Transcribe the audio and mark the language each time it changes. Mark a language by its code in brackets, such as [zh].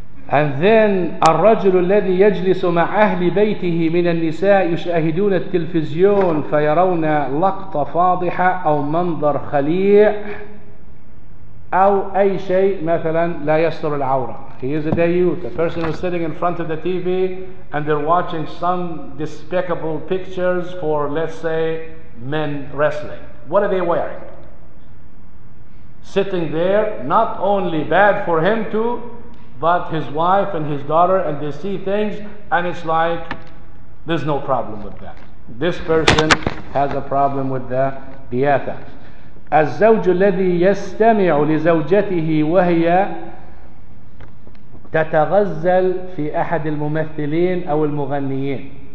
[en] And then [ar] الرجل الذي يجلس مع أهل بيته من النساء يشاهدون التلفزيون فيرون لقطة فاضحة أو منظر خليع أو أي شيء مثلا لا يستر العورة. [en] He is a dayuth. A person is sitting in front of the TV and they're watching some despicable pictures for, let's say, men wrestling. What are they wearing? Sitting there, not only bad for him too, but his wife and his daughter, and they see things, and it's like, there's no problem with that. This person has a problem with the diatha. [ar] الزوج الذي يستمع لزوجته وهي تتغزل في أحد الممثلين أو المغنيين.